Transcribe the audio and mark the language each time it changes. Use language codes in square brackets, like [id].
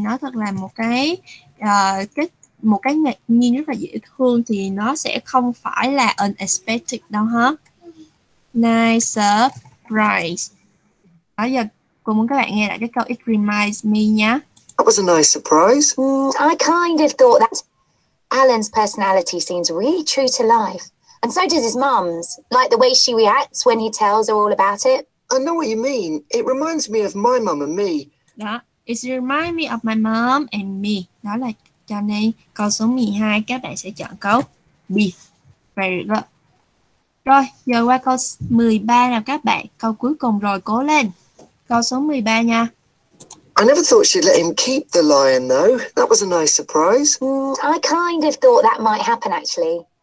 [vi] Nó thật là một cái ngạc nhiên rất là dễ thương, thì nó sẽ không phải là unexpected đâu hả? [en] Nice surprise. [vi] Đó, giờ cô muốn các bạn nghe lại cái câu [en] it reminds me [vi] nha. [en] That was a nice surprise. I kind of thought that Alan's personality seems really true to life. And so does his mum's, like the way she reacts when he tells her all about it. I know what you mean. It reminds me of my mum and me. Yeah, it reminds me of my mum and me. [vi] Đó là cho nên câu số 12 các bạn sẽ chọn câu B. [en] Very good. [vi] Rồi, giờ qua câu 13 nào các bạn. Câu cuối cùng rồi, cố lên. Câu số 13 nha. [en] I never thought she'd let him keep the lion, though. That was a nice surprise. I kind of thought that might happen, actually.